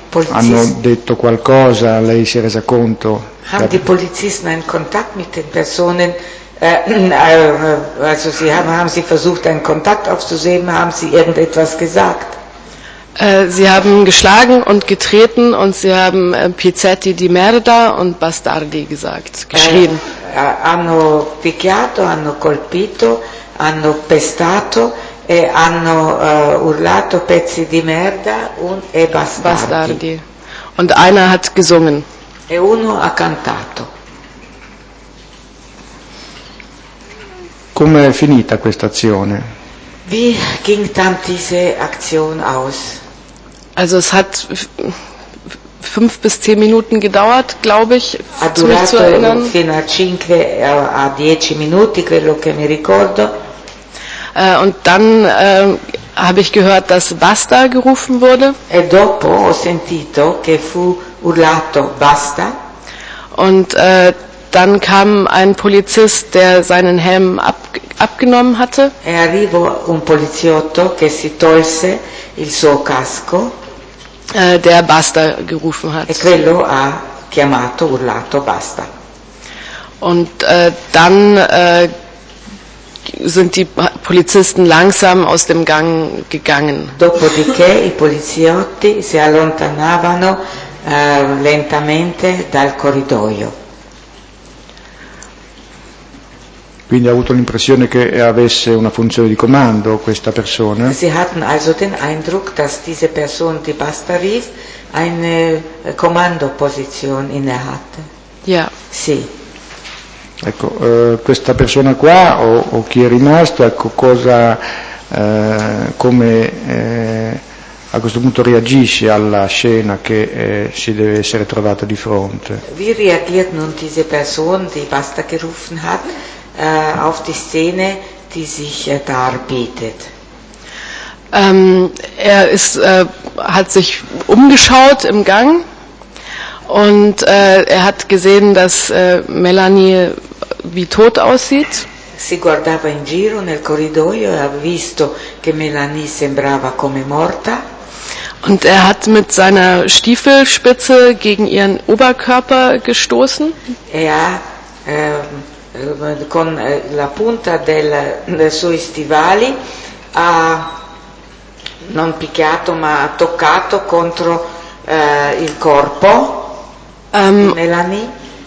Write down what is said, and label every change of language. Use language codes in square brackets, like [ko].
[it] Hanno detto qualcosa, lei si è resa conto? [de] Haben die Polizisten einen Kontakt mit den Personen? Also sie haben sie versucht einen Kontakt aufzunehmen, haben sie irgendetwas gesagt? Sie haben geschlagen und getreten und sie haben [it] Pizzetti di merda [de] und [it] bastardi [de] gesagt, geschrien. [it] Hanno picchiato, hanno colpito, hanno pestato e hanno urlato pezzi di merda [de] und [it] e bastardi. [de] Und einer hat gesungen. [it] E uno ha cantato. Come è finita questa azione? [de] Wie ging dann diese Aktion aus? Also es hat 5 bis 10 Minuten gedauert, glaube ich, ha zu mich zu erinnern. [it] Fino a 5 a 10 minuti, quello che mi ricordo. [de] Und dann habe ich gehört, dass Basta gerufen wurde. [it] E dopo ho sentito che fu urlato Basta. [de] Und dann kam ein Polizist, der seinen Helm abgenommen hatte. [it] E arrivò un poliziotto che si tolse il suo casco. [de] Der Basta gerufen hat. [it] E quello ha chiamato, urlato Basta. [de] Und dann sind die Polizisten langsam aus dem Gang gegangen. [it] Dopodiché i poliziotti si allontanavano lentamente dal corridoio. Quindi ha avuto l'impressione che avesse una funzione di comando questa persona. [de] Sie hatten also den Eindruck, dass diese Person, die Basta rief, eine Kommandoposition innehatte. Ja. [it] Sì. Ecco, questa persona qua o chi è rimasto, ecco, cosa, come a questo punto reagisce alla scena che si deve essere trovato di fronte? [de] Wie reagiert nun diese Person, die Basta gerufen hat, auf die Szene, die sich darbietet? Er ist, hat sich umgeschaut im Gang und er hat gesehen, dass Melanie wie tot aussieht. [it] Si guardava in giro nel corridoio e ha visto che Melanie sembrava come morta. [de] Und er hat mit seiner Stiefelspitze gegen ihren Oberkörper gestoßen. Er [it] con la punta dei suoi stivali ha non picchiato ma ha toccato contro il corpo di Melanie.